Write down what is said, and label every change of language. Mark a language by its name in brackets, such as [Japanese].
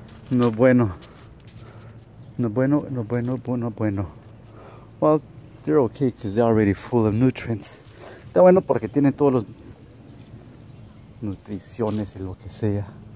[Spanish] No bueno, no bueno, no bueno, no bueno. [English] Well, they're okay because they're already full of nutrients. [Spanish] Está bueno porque tienen todos los nutriciones y lo que sea.